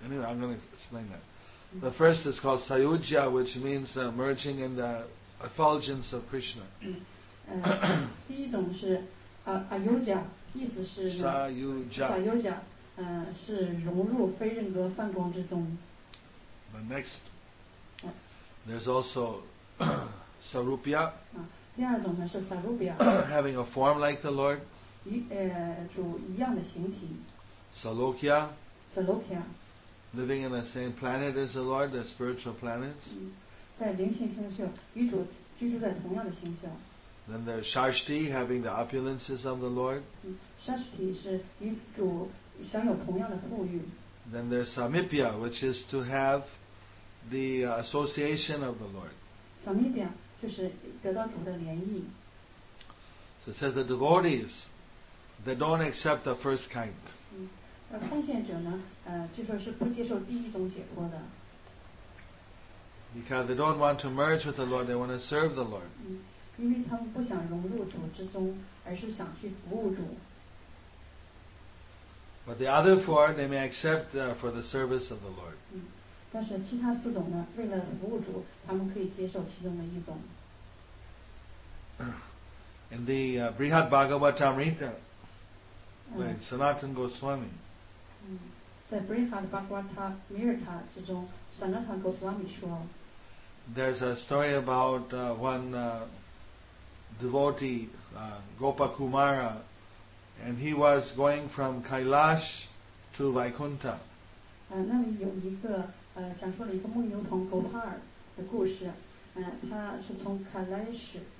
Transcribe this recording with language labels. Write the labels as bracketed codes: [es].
[en] Anyway, I'm going to explain that. The first is called Sayujya, which means merging in the effulgence of Krishna. [zh] 第一种是Ayujya, 意思是 Sayujya, 是融入非人格梵光之中。 [en] The next, there's also Sarupya. Having a form like the Lord. [zh] 主一样的形体。 [en] Salokya. Salokya. Living in the same planet as the Lord, the spiritual planets. [zh] 在灵性星宿，与主居住在同样的星宿。 [en] Then there's Shashti, having the opulences of the Lord. [zh] Shashti 是与主享有同样的富裕。 [en] Then there's Samipya, which is to have the association of the Lord. [zh] Samipya. 就是得到主的联谊。 [en] So says the devotees, they don't accept the first kind. [zh] 奉献者呢，据说是不接受第一种解脱的。 [en] Because they don't want to merge with the Lord, they want to serve the Lord. [zh] 因为他们不想融入主之中，而是想去服务主。 [en] But the other four, they may accept for the service of the Lord. [zh] 但是其他四种呢，为了服务主，他们可以接受其中的一种。 [en] In the Brihad Bhagavatamrita, when Sanatana Goswami, [zh] 在 Brihad Bhagavatamrita 之中 ，Sanatana Goswami 说 [en] ，There's a story about one devotee, Gopakumara, and he was going from Kailash to Vaikuntha. [zh] 那里有一个讲述了一个牧牛童 Gopar 的故事，他是从 Kailash。